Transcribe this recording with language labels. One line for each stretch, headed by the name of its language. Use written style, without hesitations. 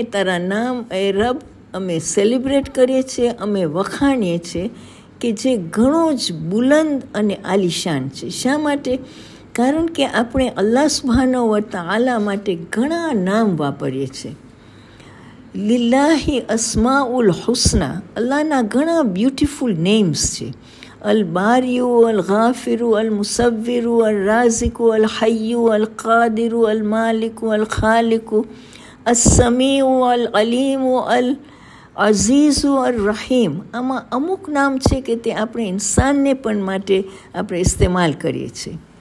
Gujarati: તારા નામ એ રબ અમે સેલિબ્રેટ કરીએ છીએ, અમે વખાણીએ છીએ કે જે ઘણો જ બુલંદ અને આલિશાન છે. શા માટે? કારણ કે આપણે અલ્લાહ સુબહાનહુ વ તઆલા માટે ઘણા નામ વાપરીએ છીએ.
Arabic: લિલ્લાહી અસ્માઉલ હુસના,
Gujarati: અલ્લાહના ઘણા
English: beautiful names
Gujarati: છે.
Arabic: الباريو والغافر والمصور والرازق والحي والقادر والمالك والخالق السميع والعليم والعزيز والرحيم.
Gujarati: اما અમુક નામ છે કે તે આપણે ઇન્સાનને પણ માટે આપણે ઇસ્તેમાલ કરીએ છીએ.